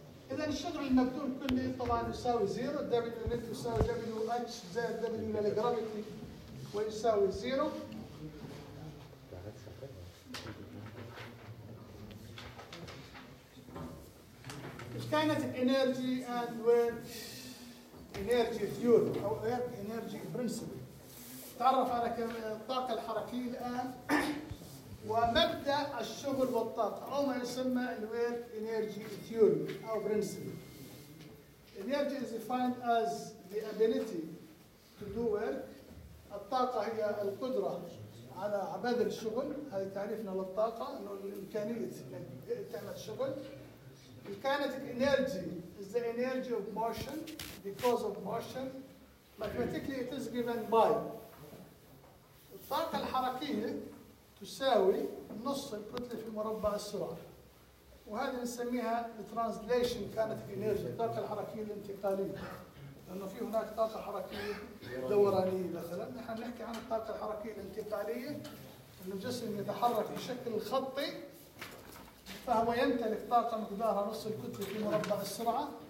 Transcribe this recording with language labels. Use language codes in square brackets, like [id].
[ar] اذا الشغل المكتوب كلي طبعا يساوي 0 دبليو نت يساوي دبليو اتش زائد دبليو الجرافيتي ويساوي 0 [en] Kinetic energy and work energy theory [ar] أو [en] work energy principle. [ar] تعرف على الطاقة الحركية الآن ومبدأ الشغل والطاقة أو ما يسمى [en] work energy theory [ar] أو principle. [en] Energy is defined as the ability to do work. [ar] الطاقة هي القدرة على بذل الشغل. هذا تعريفنا للطاقة إنه الإمكانية تعمل الشغل. [en] The kinetic energy is the energy of motion because of motion. Mathematically, it is given by. [ar] الطاقة الحركية تساوي نص الكتلة في مربع السرعة. وهذه نسميها [en] the translation kinetic energy. [ar] الطاقة الحركية الانتقالية. لأنه في هناك طاقة حركية دورانية مثلاً. نحن نحكي عن الطاقة الحركية الانتقالية. أن الجسم يتحرك بشكل خطي. فهو يمتلك طاقة مقدارها نص الكتلة في مربع السرعة.